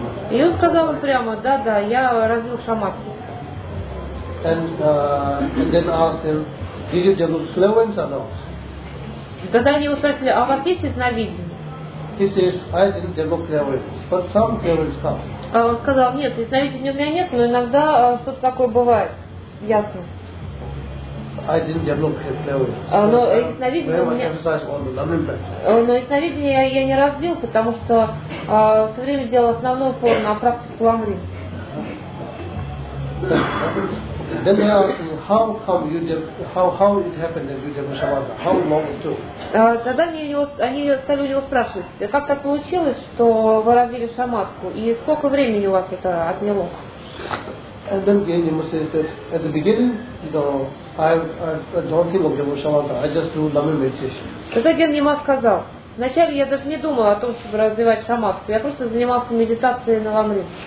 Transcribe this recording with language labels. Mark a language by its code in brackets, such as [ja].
[ru] И он сказал им прямо, да-да, я развил шаматху. [en] And then asked him, did you develop clairvoyance or not? [ru] Тогда они его спросили, а у вас есть ясновидение? [en] He says, I didn't develop clairvoyance, but some clairvoyance come. [ru] Он сказал, нет, ясновидения у меня нет, но иногда что-то такое бывает, ясно. [en] I didn't develop clairvoyance. [ru] Но ясновидение я не развил, потому что все время делал основную упор на практику ламрим. [en] Then they asked me, how it happened that you developed shamatha? How long it took? [ru] Тогда они стали у него спрашивать, как так получилось, что вы развили шаматху, и сколько времени у вас это отняло? [en] And then Geniyama says that at the beginning, you know, I don't think of developing shamatha. I just do loving meditation. [ru] Тогда Гениема сказал, вначале я даже не думал о том, чтобы развивать шаматху. Я просто занимался медитацией на ламрим.